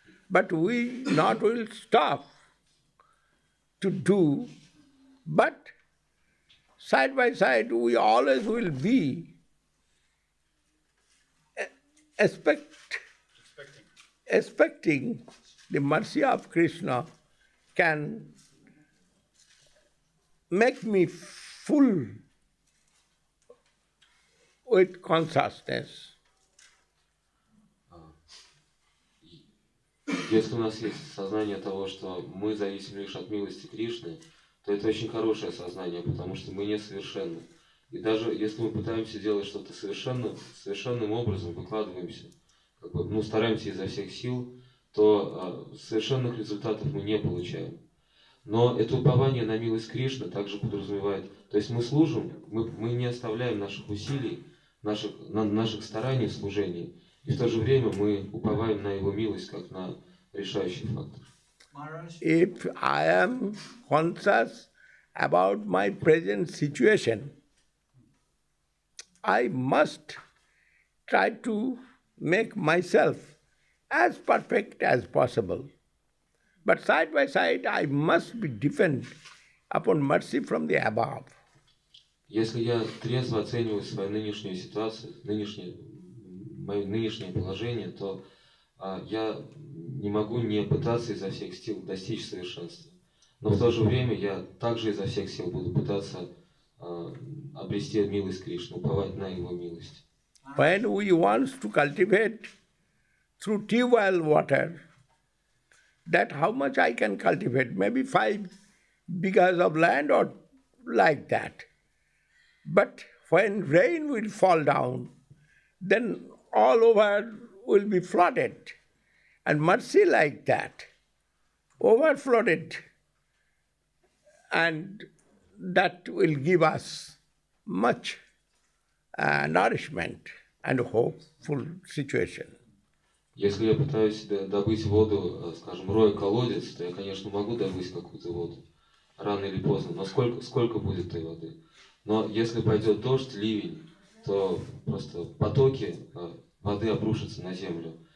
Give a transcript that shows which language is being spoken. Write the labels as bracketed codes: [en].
[en] But we not will stop to do, but side by side we always will be expecting the mercy of Krishna can make me full with consciousness. [ru] Если у нас есть сознание того, что мы зависим лишь от милости Кришны, то это очень хорошее сознание, потому что мы несовершенны. И даже если мы пытаемся делать что-то совершенным образом, выкладываемся, как бы, ну, стараемся изо всех сил, то совершенных результатов мы не получаем. Но это упование на милость Кришны также подразумевает. То есть мы служим, мы не оставляем наших усилий, наших стараний в служении, и в то же время мы уповаем на Его милость, как на решающий фактор. [en] If I am conscious about my present situation, I must try to make myself as perfect as possible. But side by side, I must be dependent upon mercy from the above. [ru] Если я трезво оцениваю свою нынешнюю ситуацию, мое нынешнее положение, то я не могу не пытаться изо всех сил достичь совершенства. Но в то же время я также изо всех сил буду пытаться обрести милость Кришны, уповать на Его милость. [en] When we want to cultivate through tea-well water, that how much I can cultivate? Maybe 5 bighas of land or like that. But when rain will fall down, then all over will be flooded. And mercy like that, overflooded, and that will give us much nourishment and hopeful situation. [ru] Если я пытаюсь добыть воду, скажем, роя колодец, то я, конечно, могу добыть какую-то воду рано или поздно, но сколько будет той воды? Но если пойдет дождь, ливень, то просто потоки воды обрушатся на землю.